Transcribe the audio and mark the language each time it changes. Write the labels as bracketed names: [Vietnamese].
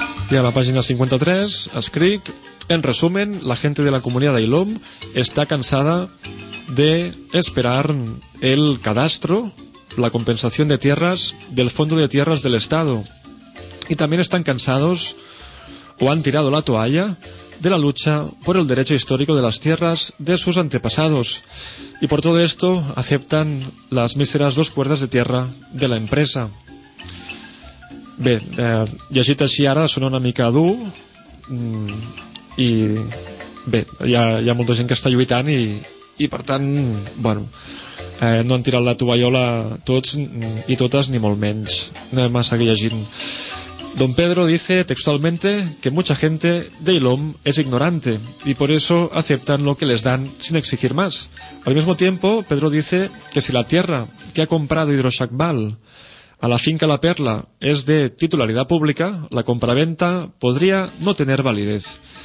[Spanish] Y a la página 53, [Catalan] escric: [Spanish] en resumen, la gente de la comunidad de Ilom está cansada de esperar el cadastro, la compensación de tierras del Fondo de Tierras del Estado. Y también están cansados, o han tirado la toalla, de la lucha por el derecho histórico de las tierras de sus antepasados. Y por todo esto aceptan las míseras dos cuerdas de tierra de la empresa. [Catalan] Bé, llegit així ara sona una mica dur, i bé, hi ha molta gent que està lluitant i per tant, bueno, no han tirat la tovallola tots i totes, ni molt menys. Anem a seguir llegint. [Spanish] Don Pedro dice textualmente que mucha gente de Ilom es ignorante y por eso aceptan lo que les dan sin exigir más. Al mismo tiempo, Pedro dice que si la tierra que ha comprado Hidroxacbal a la finca La Perla es de titularidad pública, la compraventa podría no tener validez.